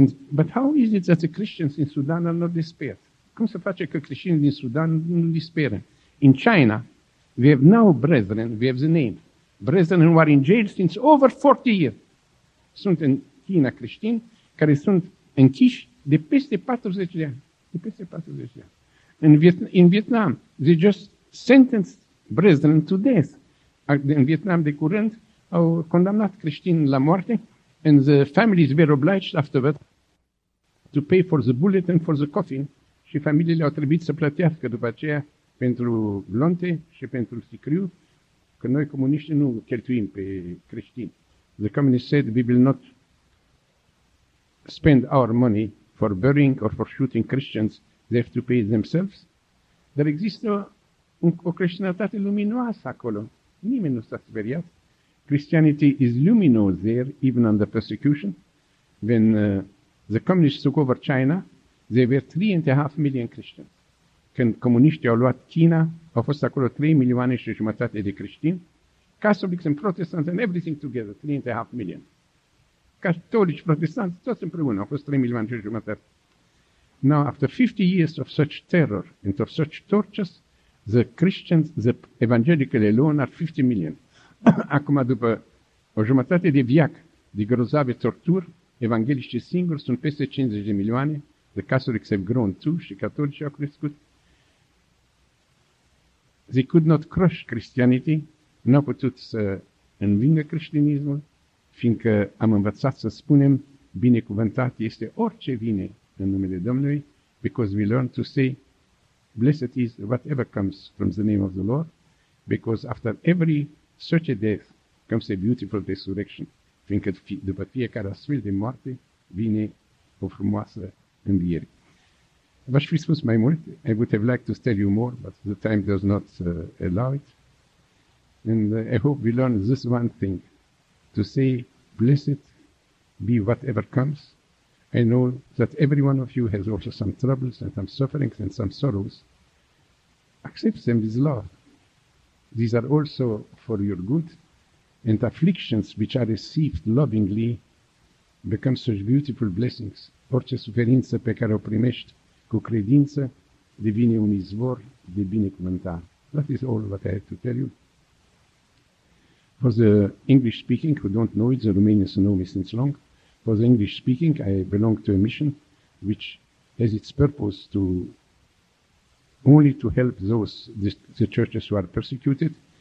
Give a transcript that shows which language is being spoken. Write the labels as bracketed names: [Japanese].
[English] But how is it that the Christians in Sudan are not despaired? [Romanian] Cum se face că creștinii din Sudan nu disperă? [English] In China, we have now brethren, we have the name. Brethren who are in jail since over 40 years. [Romanian] Sunt în China creștini care sunt închiși de peste 40 de ani. De peste 40 de ani. [English] In Vietnam, they just sentenced brethren to death. In Vietnam, [Romanian] de curând, au condamnat creștini la moarte [English] and the families were obliged afterward to pay for the bullet and for the coffin. [Romanian] Și familiile au trebuit să plătească după aceea pentru glonte și pentru sicriu, că noi comuniștii nu cheltuim pe creștini. [English] The communists said we will not spend our money for burying or for shooting Christians. They have to pay themselves. [Romanian] Dar există o creștinătate luminoasă acolo. Nimeni nu s-a speriat. [English] Christianity is luminous there, even under persecution. When the communists took over China, there were 3.5 million Christians. [Romanian] Când comuniștii au luat China, au fost acolo 3 milioane și jumătate de creștini. [English] Catholics and Protestants and everything together, 3.5 million. Catholics, Protestants, [Romanian] toți împreună, au fost [English] 3.5 million. Now, after 50 years of such terror and of such tortures, the Christians, the evangelical alone, are 50 million. [Romanian] Acum, după o jumătate de viac de grozave torturi, evangeliștii singuri sunt peste 50 de milioane, [English] the Catholics have grown too, [Romanian] și catolicii au crescut. [English] They could not crush Christianity, [Romanian] nu au putut să învingă creștinismul, fiindcă am învățat să spunem, binecuvântat este orice vine în numele Domnului, [English] because we learn to say, blessed is whatever comes from the name of the Lord, because after every such a death comes a beautiful resurrection, [Romanian] fiindcă după fiecare astfel de moarte vine o frumoasă înviere. V-aș fi spus mai mult, [English] I would have liked to tell you more, but the time does not allow it. And I hope we learn this one thing, to say, blessed be whatever comes. I know that every one of you has also some troubles and some sufferings and some sorrows. Accept them with love. These are also for your good, and afflictions which are received lovingly become such beautiful blessings. [Romanian] Orice suferință pe care o primești cu credință devine un izvor de binecuvântare. [English] That is all what I have to tell you. For the English speaking, who don't know it, the Romanians know me since long. For the English speaking, I belong to a mission which has its purpose to only to help those the churches who are persecuted.